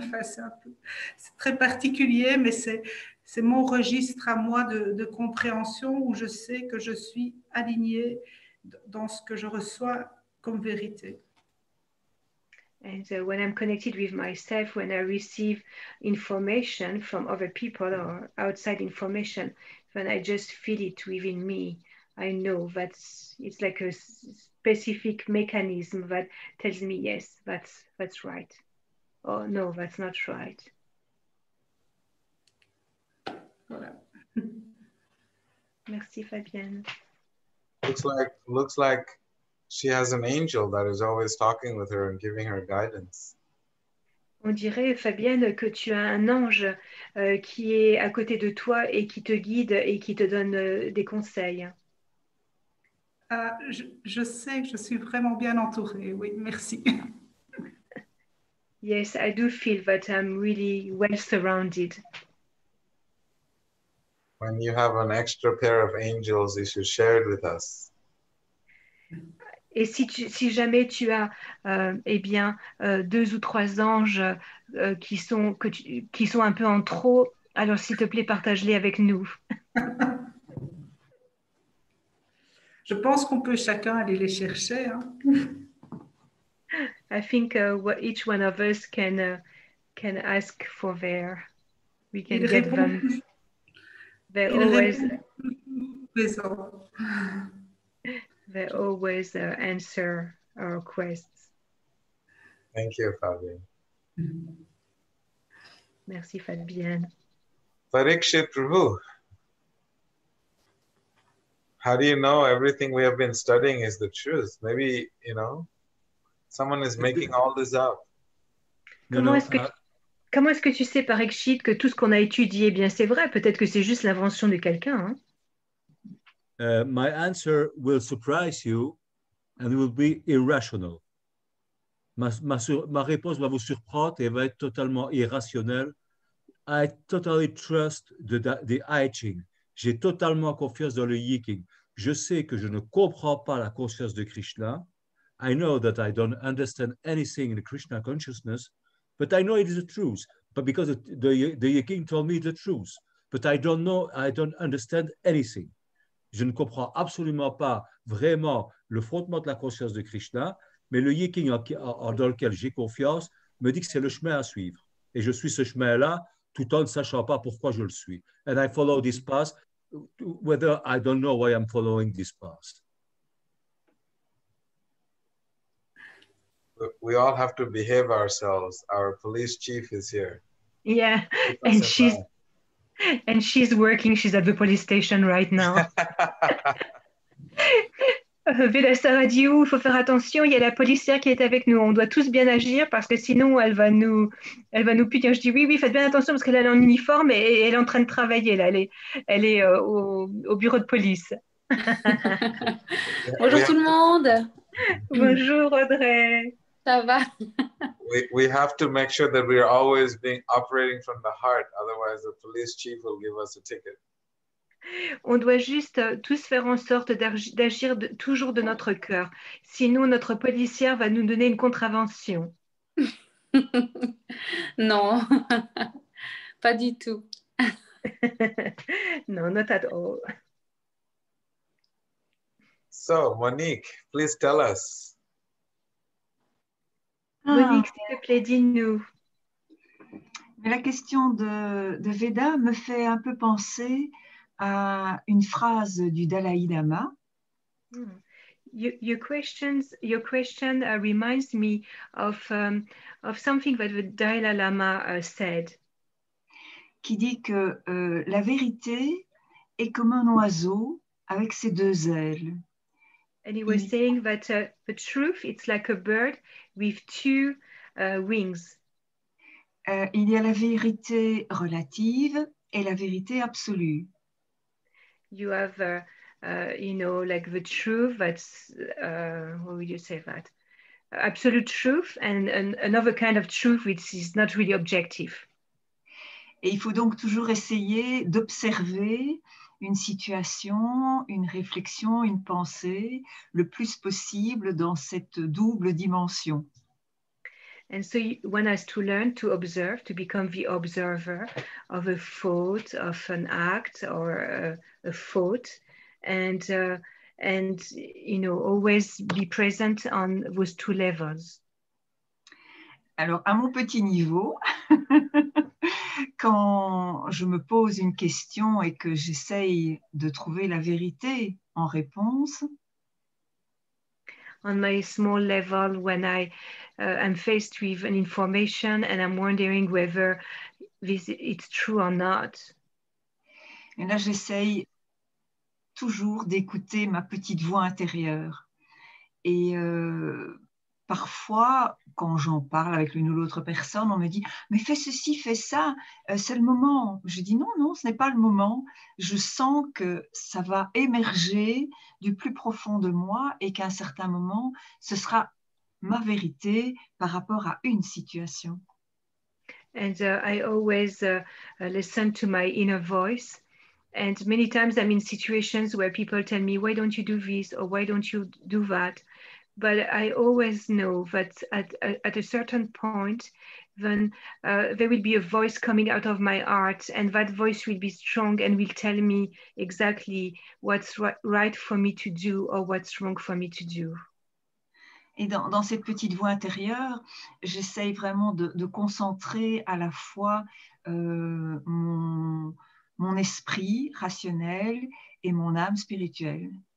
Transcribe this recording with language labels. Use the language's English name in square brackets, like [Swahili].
[French] Enfin, c'est très particulier, mais c'est mon registre à moi de compréhension où je sais que je suis alignée dans ce que je reçois comme vérité. [English] And when I'm connected with myself, when I receive information from other people or outside information, when I just feel it within me, I know that it's like a specific mechanism that tells me yes, that's right, or no, that's not right. [French] Voilà. Merci, Fabienne. [English] Looks like she has an angel that is always talking with her and giving her guidance. [French] On dirait, Fabienne, que tu as un ange qui est à côté de toi et qui te guide et qui te donne des conseils. Je sais que je suis vraiment bien entourée. Oui, merci. [English] Yes, I do feel that I'm really well surrounded. When you have an extra pair of angels, you should share it with us. [French] Et si jamais tu as deux ou trois anges qui sont un peu en trop, alors s'il te plaît, partage-les avec nous. Je pense qu'on peut chacun aller les chercher. Hein. [English] I think each one of us can ask for their. We can [French] Il [English] get [French] répond. [English] Them. They're Il always. [French] Répond. [English] They always answer our requests. Thank you, Fabienne. [French] Merci, Fabienne. [English] Parikshit Prabhu. How do you know everything we have been studying is the truth? Maybe, someone is making all this up. [French] Comment est-ce que tu sais, Parikshit, que tout ce qu'on a étudié, bien, c'est vrai? Peut-être que c'est juste l'invention de quelqu'un. Hein? [English] My answer will surprise you and it will be irrational. [French] Ma réponse va vous surprendre et va être totalement irrationnelle. [English] I totally trust the I Ching. [French] J'ai totalement confiance dans le Yi Qing. Je sais que je ne comprends pas la conscience de Krishna. [English] I know that I don't understand anything in the Krishna consciousness, but I know it is the truth. But because the Yi Qing told me the truth, but I don't know, I don't understand anything. [French] Je ne comprends absolument pas vraiment le frottement de la conscience de Krishna, mais le Yi Qing dans lequel j'ai confiance me dit que c'est le chemin à suivre. Et je suis ce chemin-là, tout en ne sachant pas pourquoi je le suis. [English] And I follow this path, whether I don't know why I'm following this path. We all have to behave ourselves. Our police chief is here. Yeah, she's working. She's at the police station right now. [French] Vanessa a dit, il faut faire attention, il y a la policière qui est avec nous, on doit tous bien agir parce que sinon elle va nous punir. Je dis oui, faites bien attention parce qu'elle est en uniforme et elle est en train de travailler là, elle est au bureau de police. Bonjour tout le monde. Bonjour Audrey. Ça va? [English] we have to make sure that we are always being operating from the heart, otherwise the police chief will give us a ticket. [French] On doit juste tous faire en sorte d'agir toujours de notre cœur. Sinon, notre policière va nous donner une contravention. Non, pas du tout. [English] No, not at all. So, Monique, please tell us. [French] Monique, s'il te plaît, dis-nous. La question de Veda me fait un peu penser à une phrase du Dalai Lama. [English] Your question reminds me of something that the Dalai Lama said. [French] Qui dit que la vérité est comme un oiseau avec ses deux ailes. [English] And he was saying that the truth it's like a bird with two wings. [French] Il y a la vérité relative et la vérité absolue. [English] You have like the truth that's what would you say that? Absolute truth and another kind of truth which is not really objective. [French] Et il faut donc toujours essayer d'observer une situation, une réflexion, une pensée le plus possible dans cette double dimension. [English] And so one has to learn to observe, to become the observer of a thought, of an act or a thought, and you know, always be present on those two levels. [French] Alors, à mon petit niveau, quand je me pose une question et que j'essaye de trouver la vérité en réponse. [English] On my small level, when I am faced with an information and I'm wondering whether this, it's true or not. [French] Et là, j'essaye toujours d'écouter ma petite voix intérieure. Et parfois, quand j'en parle avec l'une ou l'autre personne, on me dit « mais fais ceci, fais ça, c'est le moment ». Je dis « non, non, ce n'est pas le moment ». Je sens que ça va émerger du plus profond de moi et qu'à un certain moment, ce sera ma vérité par rapport à une situation. [English] And I always listen to my inner voice. And many times I'm in situations where people tell me « why don't you do this » or « why don't you do that ». But I always know that at a certain point, then there will be a voice coming out of my heart, and that voice will be strong and will tell me exactly what's right for me to do or what's wrong for me to do. [French] Et dans cette petite voix intérieure, j'essaye vraiment de concentrer à la fois mon esprit rationnel et mon âme spirituelle.